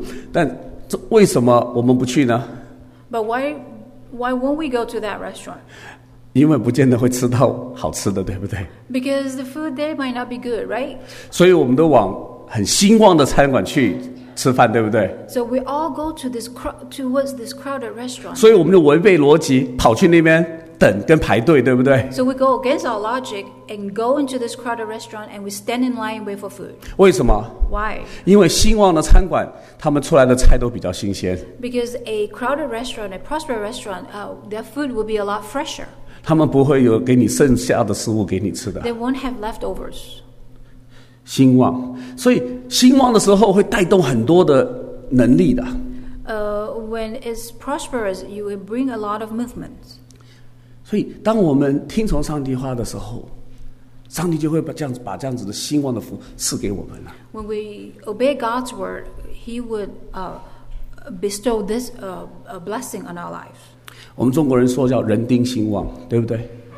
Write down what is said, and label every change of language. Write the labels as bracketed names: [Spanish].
[Chinese] 但这为什么我们不去呢 [English] ？But why won't we go to that restaurant? [Chinese] 因为不见得会吃到好吃的，对不对 [English] ？Because the food there might not be good, right? [Chinese] 所以我们都往很兴旺的餐馆去吃饭，对不对 [English] ？So we all go to this towards this crowded restaurant. [Chinese] 所以我们就违背逻辑，跑去那边等跟排队，对不对 [English] ？So we go against our logic and go into this crowded restaurant and we stand in line and wait for food. [Chinese] 为什么 [English] ？Why？ [Chinese] 因为兴旺的餐馆，他们出来的菜都比较新鲜。 [English] Because a crowded restaurant, a prosperous restaurant, their food will be a lot fresher. [Chinese] 他们不会有给你剩下的食物给你吃的。 [English] They won't have leftovers. [Chinese] 兴旺，所以兴旺的时候会带动很多的能力的。 [English] When it's prosperous, you will bring a lot of movements. [Chinese] 所以当我们听从上帝话的时候，上帝就会把这样子的兴旺的福赐给我们了。 [English] When we obey God's word, he would bestow this blessing on our life. [Chinese] 我们中国人说叫人丁兴旺，对不对